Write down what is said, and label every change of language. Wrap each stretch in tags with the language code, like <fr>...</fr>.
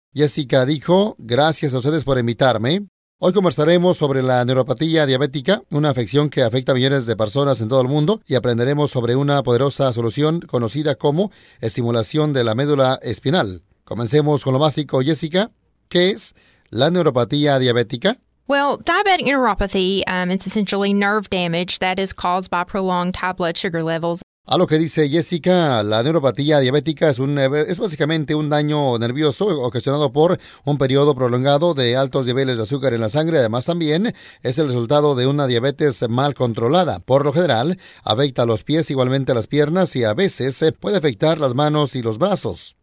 <es>Jessica dijo, gracias a ustedes por invitarme. Hoy conversaremos sobre la neuropatía diabética, una afección que afecta a millones de personas en todo el mundo, y aprenderemos sobre una poderosa solución conocida como estimulación de la médula espinal. Comencemos con lo básico, Jessica. ¿Qué es la neuropatía diabética?</es> <en>Well, diabetic neuropathy, it's essentially nerve damage that is caused by prolonged high blood sugar levels.</en> <es>A lo que dice Jessica, la neuropatía diabética es básicamente un daño nervioso ocasionado por un periodo prolongado de altos niveles de azúcar en la sangre. Además, también es el resultado de una diabetes mal controlada. Por lo general, afecta a los pies, igualmente a las piernas, y a veces puede afectar las manos y los brazos.</es>